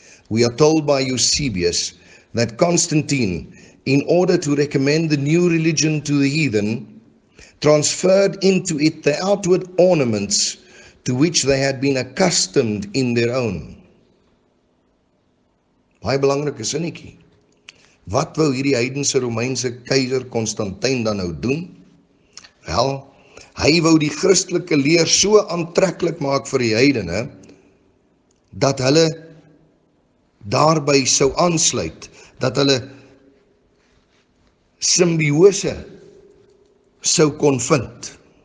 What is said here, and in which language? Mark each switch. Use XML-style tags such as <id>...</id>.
<en>We are told by Eusebius that Constantine, in order to recommend the new religion to the heathen, transferred into it the outward ornaments to which they had been accustomed in their own.</en> <af>Baie belangrike sinnetjie. Wat wou hierdie heidense Romeinse keizer Constantijn dan nou doen? Wel, hy wou die christelike leer so aantrekkelijk maak vir die heidene, dat hulle daarbij sou aansluit, dat hulle symbiose sou kon vind.</af>